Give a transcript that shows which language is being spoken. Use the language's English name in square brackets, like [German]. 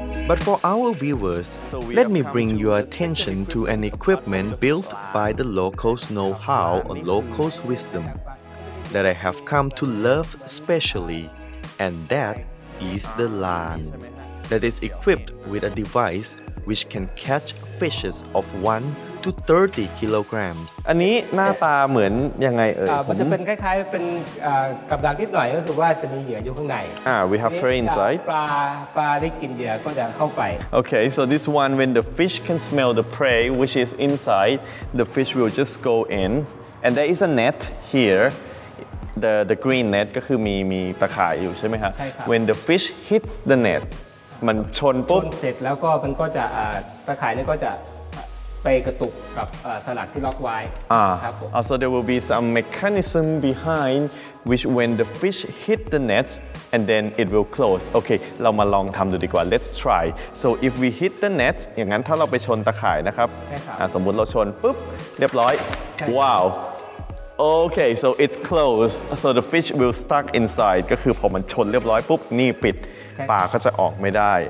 [English] but for our viewers let me bring your attention to an equipment built by the locals know-how or locals wisdom that I have come to love specially and that is the lan that is equipped with a deviceWhich can catch fishes of 1 to 30 kilograms. [Thai] อันนี้หน้าตาเหมือนยังไงเอ่ย มันจะเป็นคล้ายๆเป็นกับดักนิดหน่อยก็คือว่าจะมีเหยื่ออยู่ข้างใน [English] We have prey inside. [Thai] ปลาได้กินเหยื่อก็จะเข้าไป [English] Okay, so this one when the fish can smell the prey which is inside, the fish will just go in. And there is a net here, the green net [Thai] ก็คือมีตะข่ายอยู่ใช่ไหมครับ ใช่ครับ [English] When the fish hits the net. [Thai] มันชนปุ๊บ เสร็จแล้วก็มันก็จะตะข่ายนี่ก็จะไปกระตุกกับสลักที่ล็อกไว้ครับ [English] so there will be some mechanism behind which when the fish hit the nets and then it will close okay [Thai] เรามาลองทำดูดีกว่า [English] let's try so if we hit the nets [Thai] อย่างนั้นถ้าเราไปชนตะข่ายนะครับสมมุติเราชนปุ๊บเรียบร้อย [English] wow okay so it's closed so the fish will stuck inside [Thai] ก็คือพอมันชนเรียบร้อยปุ๊บนี่ปิดปลาก็จะออกไม่ได